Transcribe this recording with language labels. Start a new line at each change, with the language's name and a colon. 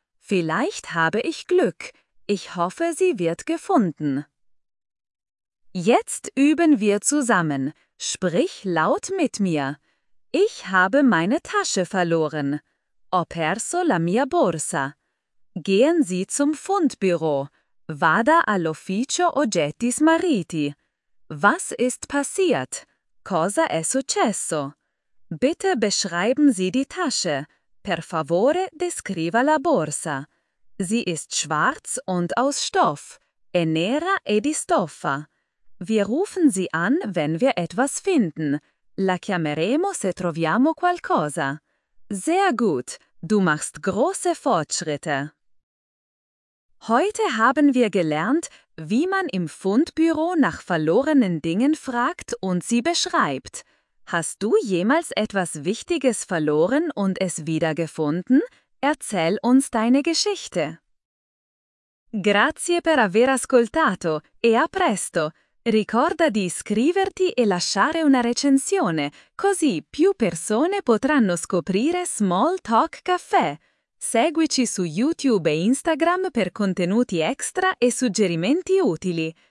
German: Vielleicht habe ich Glück. Ich hoffe, sie wird gefunden. Jetzt üben wir zusammen. Sprich laut mit mir. Ich habe meine Tasche verloren.
Italian: Ho perso la mia borsa.
German: Gehen Sie zum Fundbüro.
Italian: Vada all'ufficio oggetti smarriti.
German: Was ist passiert?
Italian: Cosa è successo?
German: Bitte beschreiben Sie die Tasche.
Italian: Per favore, descriva la borsa.
German: Sie ist schwarz und aus Stoff.
Italian: È nera e di stoffa.
German: Wir rufen Sie an, wenn wir etwas finden.
Italian: La chiameremo se troviamo qualcosa.
German: Sehr gut, du machst große Fortschritte. Heute haben wir gelernt, wie man im Fundbüro nach verlorenen Dingen fragt und sie beschreibt. Hast du jemals etwas Wichtiges verloren und es wiedergefunden? Erzähl uns deine Geschichte.
Italian: Grazie per aver ascoltato e a presto. Ricorda di iscriverti e lasciare una recensione, così più persone potranno scoprire Small Talk Café. Seguici su YouTube e Instagram per contenuti extra e suggerimenti utili.